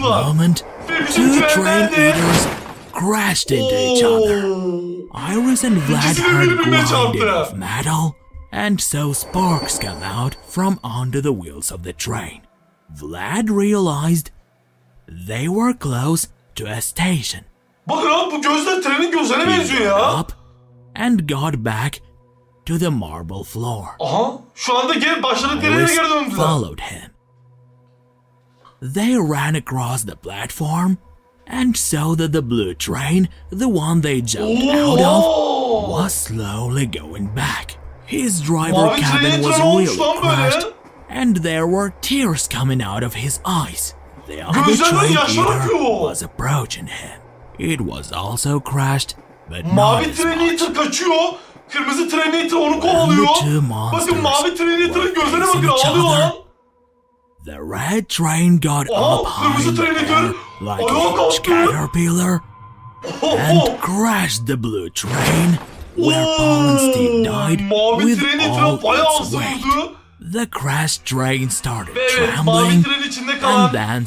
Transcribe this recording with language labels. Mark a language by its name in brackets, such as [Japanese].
[English] moment, two train eaters crashed into each other. Iris and Vlad heard grinding of metal and saw sparks come out from under the wheels of the train. Vlad realized they were close to a station. [Turkish] Bakın abi, bu gözler trenin gözlerine benziyor ya. [English] And got back to the marble floor. [Turkish] Aha, şu anda gel başladık direne geri döndüler. [English] Alice followed him. They ran across the platform, and so did the blue train, the one they jumped out of, was slowly going back. His driver cabin was really crushed, and there were tears coming out of his eyes. The other train eater was approaching him. It was also crashed, but [Turkish] Mavi Train Eater kaçıyor. Kırmızı Train Eater onu kovalıyor. Bakın Mavi Train Eater'ın gözlerine bakın, ağlıyor lan. [English] The red train got up high in the air like a huge caterpillar and crashed the blue train, where Palenstein died with all its weight. The crashed train started trembling and then